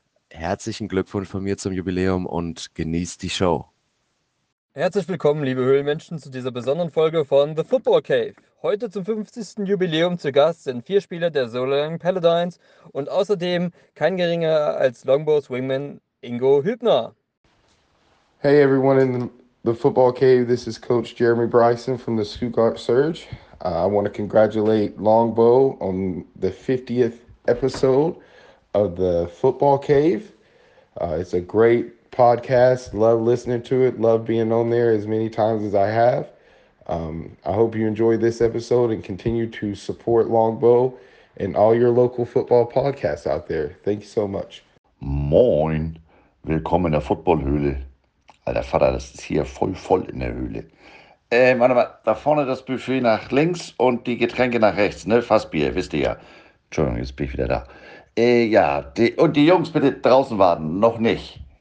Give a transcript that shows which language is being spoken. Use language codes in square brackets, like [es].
[de] Herzlichen Glückwunsch von mir zum Jubiläum und genießt die Show. Herzlich willkommen, liebe Höhlenmenschen, zu dieser besonderen Folge von The Football Cave. Heute zum 50. Jubiläum zu Gast sind 4 Spieler der Solingen Paladins und außerdem kein geringerer als Longbows Wingman Ingo Hübner. [en] Hey everyone in the Football Cave, this is Coach Jeremy Bryson from the Stuttgart Surge. I want to congratulate Longbow on the 50th episode of the Football Cave. It's a great podcast, love listening to it, love being on there as many times as I have. I hope you enjoy this episode and continue to support Longbow and all your local football podcasts out there. Thank you so much. [de] Moin, willkommen in der Footballhöhle. Alter Vater, das ist hier voll in der Höhle. Warte mal, da vorne das Buffet nach links und die Getränke nach rechts, ne? Fassbier, wisst ihr ja. Entschuldigung, jetzt bin ich wieder da. Und die Jungs bitte draußen warten, noch nicht.